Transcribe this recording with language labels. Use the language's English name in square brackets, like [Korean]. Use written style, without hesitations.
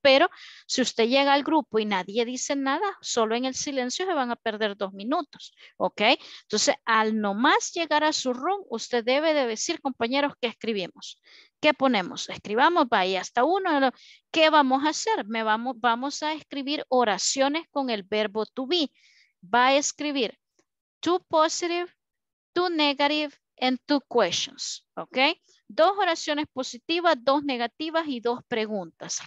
[Spanish] Pero si usted llega al grupo y nadie dice nada, solo en el silencio se van a perder 2 minutos, ¿ok? Entonces, al nomás llegar a su room, usted debe de decir, compañeros, ¿qué escribimos? ¿Qué ponemos? Escribamos, ahí hasta uno. ¿Qué vamos a hacer? Vamos a escribir oraciones con el verbo to be. Va a escribir [English] two positive, two negative, and two questions. [Spanish] ¿Ok? Dos oraciones positivas, dos negativas y dos preguntas.